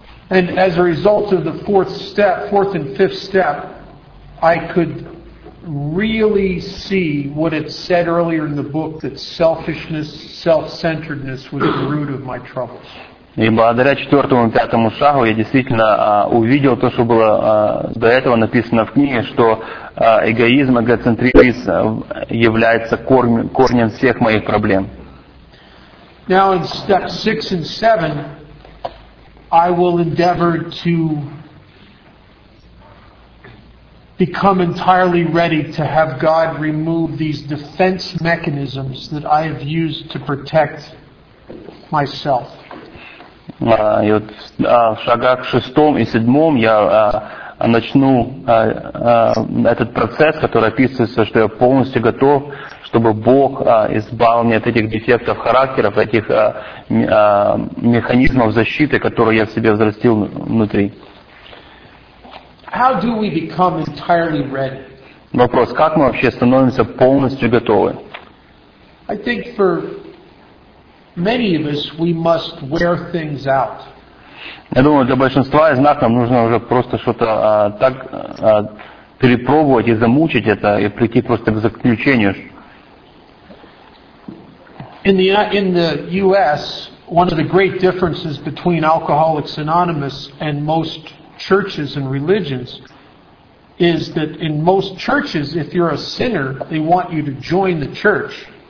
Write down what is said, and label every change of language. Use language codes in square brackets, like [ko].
[en] And as a result of the fourth and fifth step, I could really see what it said earlier in the book that selfishness, self-centeredness was the root of my troubles. [ru] И благодаря четвертому и пятому шагу я действительно увидел то, что было до этого написано в книге, что эгоизм, эгоцентризм является корнем всех моих проблем. [en] Now in step 6 and 7 I will endeavor to become entirely ready to have God remove these defense mechanisms that I have used to protect myself. [ru] И вот в шагах шестом и седьмом я начну этот процесс, который описывается, что я полностью готов, чтобы Бог избавил меня от этих дефектов характера, от этих механизмов защиты, которые я в себе взрастил внутри. [en] How do we become entirely ready? [ru] Вопрос, как мы вообще становимся полностью готовы? [en] I think for many of us, we must wear things out. [ru] Я думаю, для большинства из нас нам нужно уже просто что-то так перепробовать и замучить это, и прийти просто к заключению. [en] In the U.S., one of the great differences between Alcoholics Anonymous and most churches and religions is that in most churches, if you're a sinner, they want you to join the church.